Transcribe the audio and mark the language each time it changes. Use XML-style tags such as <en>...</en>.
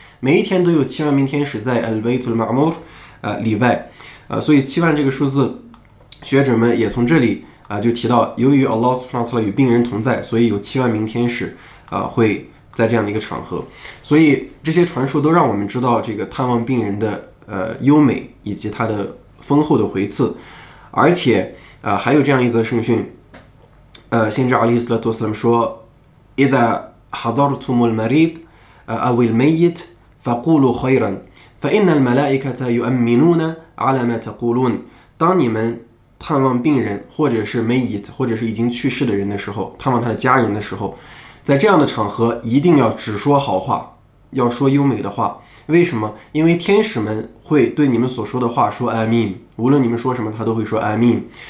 <zh>每一天都有七万名天使在 Al-Baytul Ma'mur 礼拜，所以七万这个数字，学者们也从这里就提到，由于 Allah Subhanahu wa Taala 与病人同在，所以有七万名天使会在这样的一个场合。所以这些传说都让我们知道这个探望病人的优美以及它的丰厚的回赐。而且还有这样一则圣训，先知阿里斯拉托斯兰说。</zh> <ar>إذا حضرتم المريض أو الميت فقولوا خيرا فإن الملائكة يؤمنون على ما تقولون.</ar> <zh>当你们探望病人或者是</zh> <ar>ميت</ar> <zh>或者是已经去世的人的时候，探望他的家人的时候，在这样的场合一定要只说好话，要说优美的话。为什么？因为天使们会对你们所说的话说 آمين， 无论你们说什么他都会说 آمين。</zh>